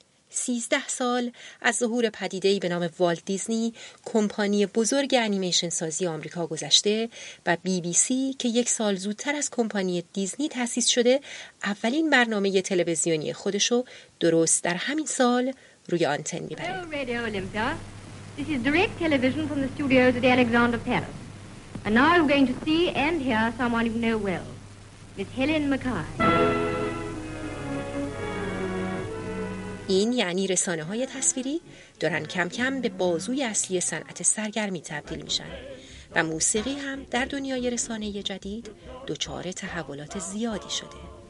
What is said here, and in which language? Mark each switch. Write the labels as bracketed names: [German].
[Persian] 13 سال از ظهور پدیده‌ای به نام والت دیزنی، کمپانی بزرگ انیمیشن سازی آمریکا گذشته و بی بی سی که 1 سال زودتر از کمپانی دیزنی تأسیس شده، اولین برنامه تلویزیونی خودشو درست در همین سال روی آنتن میبره. [English] This is direct television from the studios at Alexandra Palace. And now you're going to see and hear someone you know well. Miss Helen Mackay. [Persian] این یعنی رسانه‌های تصویری دارن کم کم به بازوی اصلی صنعت سرگرمی تبدیل میشن و موسیقی هم در دنیای رسانه جدید دچار تحولات زیادی شده.